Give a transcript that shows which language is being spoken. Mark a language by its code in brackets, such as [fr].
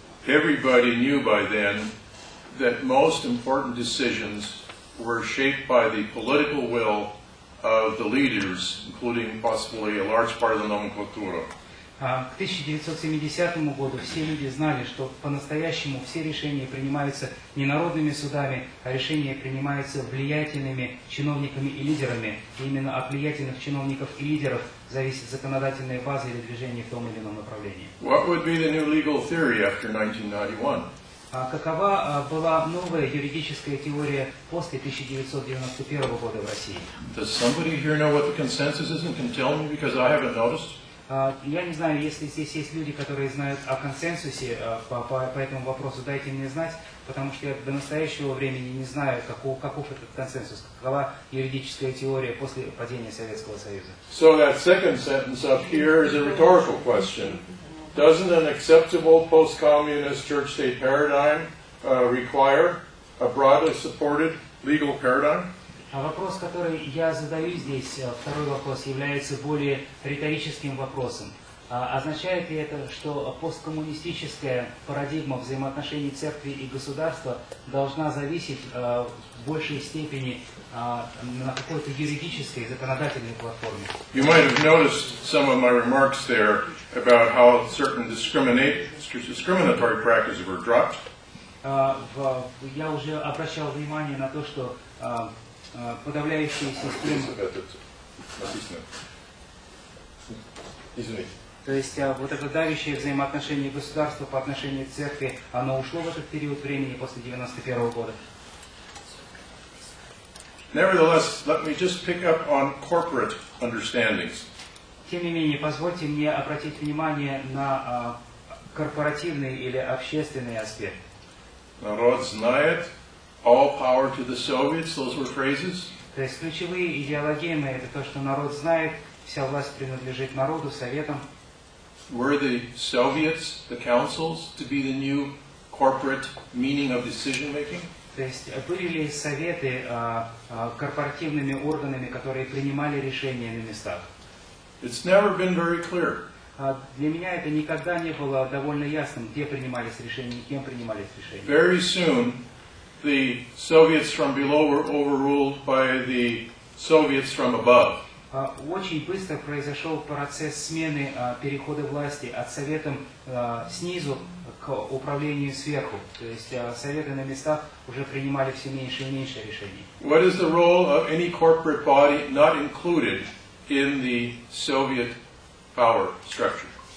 [en] Everybody knew by then that most important decisions were shaped by the political will of the leaders, including possibly a large part of the nomenclatura. [ru] К 1970 году все люди знали, что по-настоящему все решения принимаются не народными судами, а решения принимаются влиятельными чиновниками и лидерами. И именно от влиятельных чиновников и лидеров зависит законодательная база или движение в том или ином направлении. [en] What would be the new legal theory after 1991? [ru] Какова была новая юридическая теория после 1991 года в России? [en] Does somebody here know what the consensus is and can tell me, because I haven't noticed? [ru] Я не знаю, если здесь есть люди, которые знают о консенсусе по этому вопросу, дайте мне знать, потому что я до настоящего времени не знаю, каков этот консенсус, какова юридическая теория после падения Советского Союза. [en] So that second sentence up here is a rhetorical question. Doesn't an acceptable post-communist church-state paradigm require a broadly supported legal paradigm? [ru] А вопрос, который я задаю здесь, второй вопрос, является более риторическим вопросом. Означает ли это, что посткоммунистическая парадигма взаимоотношений церкви и государства должна зависеть большей степени на какой-то юридической, законодательной платформе. [en] You might have noticed some of my remarks there about how certain discriminatory practices were dropped. [ru] Я уже обращал внимание на то, что подавляющие системы... То есть вот это давящее взаимоотношение государства по отношению к церкви, оно ушло в этот период времени после 91 года. [en] Nevertheless, let me just pick up on corporate understandings. [ru] Тем не менее, позвольте мне обратить внимание на корпоративный или общественный аспект. Народ знает, [en] all power to the Soviets, those were phrases. [ru] То есть ключевые идеологемы это то, что народ знает, вся власть принадлежит народу, советам. [en] Were the Soviets, the councils, to be the new corporate meaning of decision making? [ru] То есть были ли советы корпоративными органами, которые принимали решения на местах? [en] It's never been very clear. [ru] Для меня это никогда не было довольно ясным, где принимались решения, кем принимались решения. [en] Very soon, the Soviets from below were overruled by the Soviets from above. [ru] Очень быстро произошел процесс смены перехода власти от Совета снизу к управлению сверху. То есть Советы на местах уже принимали все меньше и меньше решений. [en] What is the role of any corporate body not included in the Soviet power structure?